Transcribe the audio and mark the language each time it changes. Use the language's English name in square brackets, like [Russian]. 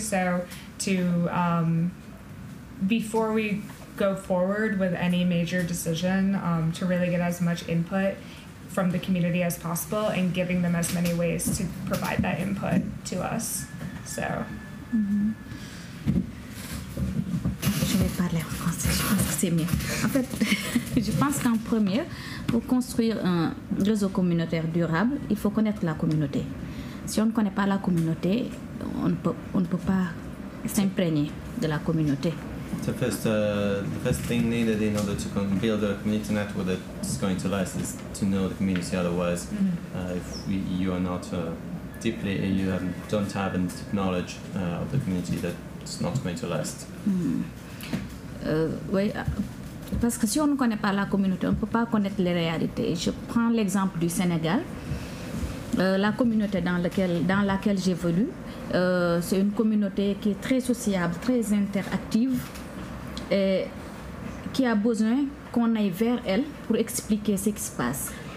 [English] So to before we go forward with any major decision, to really get as much input from the community as possible and giving them as many ways to provide that input to us. So. [French] Je vais parler en français, je pense que c'est mieux. En fait, je pense qu'en premier, pour construire un réseau communautaire durable, il faut connaître la communauté. Si on ne connaît pas la communauté, on ne peut pas s'imprégner de la communauté. [English] The first thing needed in order to build a community network that's going to last is to know the community. Otherwise, mm-hmm. if you don't have the knowledge of the community, that's not going to last. Mm-hmm. [French] Oui, parce que si on ne connaît pas la communauté, on ne peut pas connaître les réalités. Je prends l'exemple du Sénégal. La communauté dans laquelle j'évolue, c'est une communauté qui est très sociable, très interactive, et qui a besoin qu'on aille vers elle pour expliquer ce qui se passe.